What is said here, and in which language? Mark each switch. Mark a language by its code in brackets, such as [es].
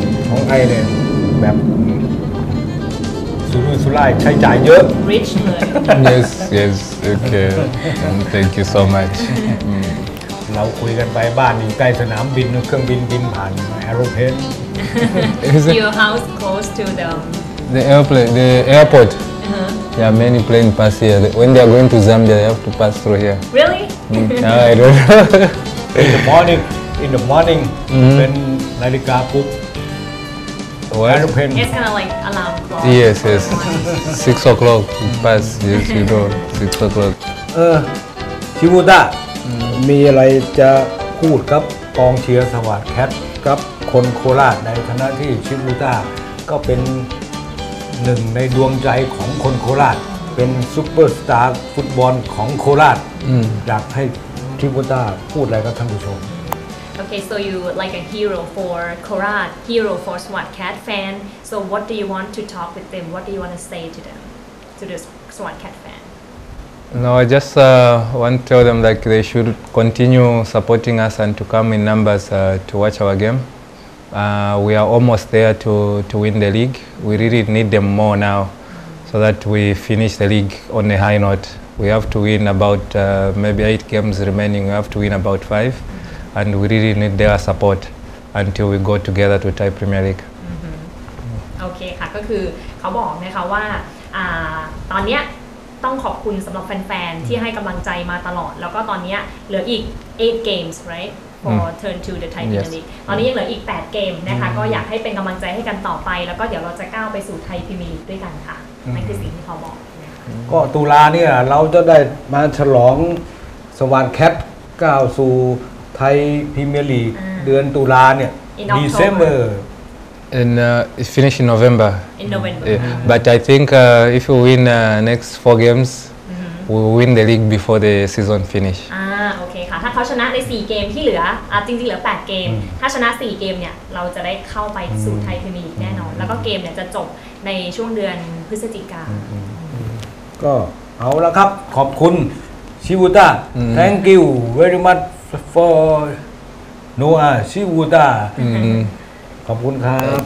[th] ของไทยเนี่ยแบบสุรุ่ยสุร่ายใช้จ่ายเยอะ [en] rich เลย yes okay thank you so much [th] เราคุยกันไปบ้านอยู่ใกล้สนามบินเครื่องบินบินผ่านแอร์โรเพน [en] your house close to the airplane the airport yeah many plane pass here when they are going to Zambia they have to pass through here really no I don't know In the morning, when Narika put airplane. It's kind of like alarm clock. Yes, yes. 6 o'clock. Pass. Yes, you know. 6 o'clock. [th] Shibuta, มีอะไรจะพูดกับกองเชียร์สวัสดิ์แคทกับคนโคราชในฐานะที่ชิบูต้าก็เป็นหนึ่งในดวงใจของคนโคราชเป็นซูเปอร์สตาร์ฟุตบอลของโคราชอยากให้Shibuta พูดอะไรกับท่านผู้ชม [en] Okay, so you like a hero for Korat, hero for Swat Cat fan. So what do you want to talk with them? What do you want to say to them, to the Swat Cat fan? No, I just want to tell them that they should continue supporting us and to come in numbers to watch our game. We are almost there to win the league. We really need them more now so that we finish the league on a high note. We have to win about maybe 8 games remaining. We have to win about 5, and we really need their support until we go together to Thai Premier League. Mm-hmm. [th] Okay, ค่ะก็คือเขาบอกนะคะว่าตอนนี้ต้องขอบคุณสำหรับแฟนๆที่ให้กำลังใจมาตลอดแล้วก็ตอนนี้เหลืออีก [en] 8 games right for turn to the Thai Premier League. [th] ตอนนี้ยังเหลืออีก8 games นะคะก็อยากให้เป็นกำลังใจให้กันต่อไปแล้วก็เดี๋ยวเราจะก้าวไปสู่ไทย Premier League ด้วยกันค่ะนั่นคือสิ่งที่เขาบอก ก็ตุลาเนี่ยเราจะได้มาฉลองสวานแคทก้าวสู่ไทยพรีเมียร์ลีกเดือนตุลาเนี่ย [en] December and finish in November in November but I think if we win next 4 games we win the league before the season finish [th] โอเคค่ะถ้าเขาชนะใน4เกมที่เหลือจริงๆเหลือ8เกมถ้าชนะ4เกมเนี่ยเราจะได้เข้าไปสู่ไทยพรีเมียร์ลีกแน่นอนแล้วก็เกมเนี่ยจะจบในช่วงเดือนพฤศจิกา ก็เอาละครับขอบคุณชิบูต้า [en] thank you very much for Noah [th] ชิบูต้าขอบคุณครับ